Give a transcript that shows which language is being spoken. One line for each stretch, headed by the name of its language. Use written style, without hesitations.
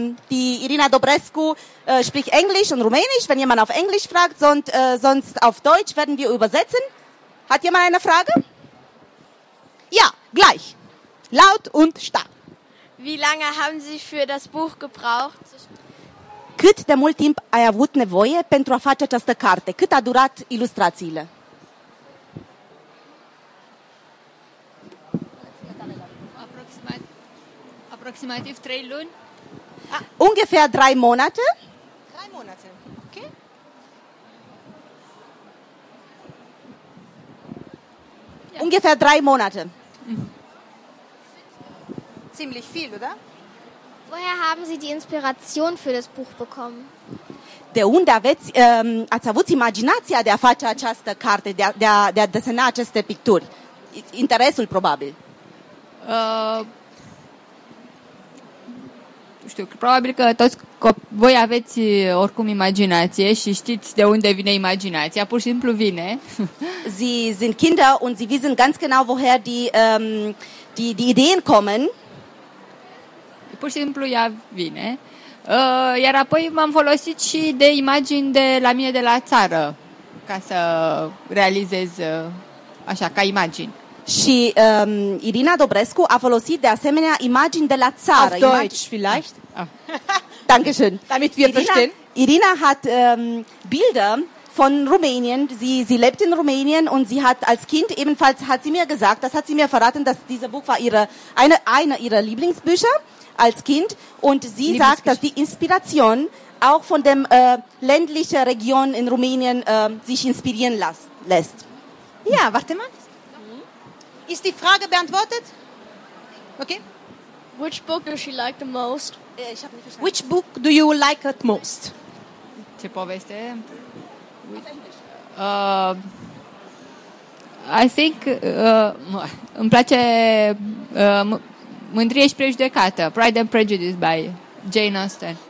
German: Die Irina Dobrescu spricht Englisch und Rumänisch, wenn jemand auf Englisch fragt. Sonst auf Deutsch werden wir übersetzen. Hat jemand eine Frage? Ja, gleich. Laut und stark. Wie lange haben Sie für das Buch gebraucht?
Romanian: Cât de mult timp ai avut nevoie pentru a face această carte? Cât a durat ilustrațiile? Approximativ 3 luni.
German: Ah, ungefähr 3 Monate. 3 Monate. Okay. Ja. Ungefähr 3 Monate. Mhm. Ziemlich viel, oder? Woher haben Sie die Inspiration für das Buch bekommen?
Romanian: De unde aveți, ați avut imaginația de a face această carte, de a desena aceste picturi? Interesul, probabil. Știu, probabil că toți voi aveți oricum imaginație și știți de unde vine imaginația, pur și simplu vine.
German: Sie sind Kinder und sie wissen ganz genau woher die Ideen kommen.
Romanian: Pur și simplu ea vine. Iar apoi m-am folosit și de imagini de la mine de la țară ca să realizez așa ca imagini. Și Irina Dobrescu a folosit de asemenea imagini de la țară.
German: Auf Deutsch vielleicht? Dankeschön. Damit wir verstehen. Irina hat Bilder von Rumänien. Sie lebt in Rumänien und sie hat als Kind ebenfalls, hat sie mir gesagt, das hat sie mir verraten, dass dieser Buch war eine ihrer Lieblingsbücher als Kind. Und sie sagt, dass die Inspiration auch von dem ländlichen Region in Rumänien sich inspirieren lässt. Ja, warte mal. Ist die Frage beantwortet? Okay.
English: Which book does she like the most? Which book do you like at most?
Romanian: Ce poveste?
English: I think
Romanian: îmi place Mândrie și Prejudecată,
English: Pride and Prejudice by Jane Austen.